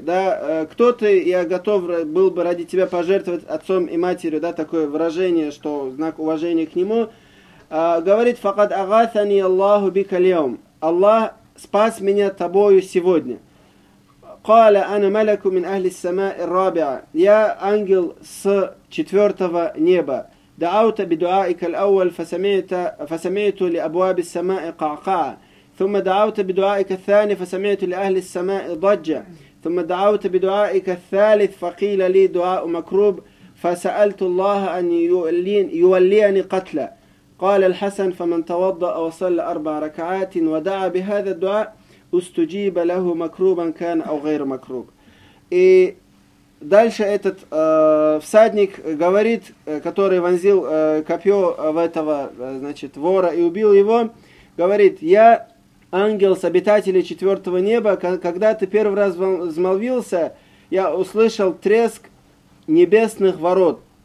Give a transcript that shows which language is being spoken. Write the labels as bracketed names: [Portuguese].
[Russian] Да, кто ты, я готов был бы ради тебя пожертвовать отцом и матерью, да, такое выражение, что знак уважения к нему. Говорит: [Arabic] «Факад агатани Аллаху би калиум». [Russian] Аллах спас меня тобою сегодня. [Arabic] «Каля ана малеку мин ахли сама ир-рабиа». [Russian] Я ангел с четвертого неба. [Arabic] دعوت بدعائك الأول فسمعت لأبواب السماء قعقاع ثم دعوت بدعائك الثاني فسمعت لأهل السماء ضجة ثم دعوت بدعائك الثالث فقيل لي دعاء مكروب فسألت الله أن يوليني قتلا قال الحسن فمن توضأ وصلى أربع ركعات ودعا بهذا الدعاء استجيب له مكروبا كان أو غير مكروب. [Russian] Дальше этот всадник говорит, который вонзил копье в этого, значит, вора и убил его, говорит: «Я ангел с обитателей четвертого неба. Когда ты первый раз взмолился, я услышал треск небесных ворот.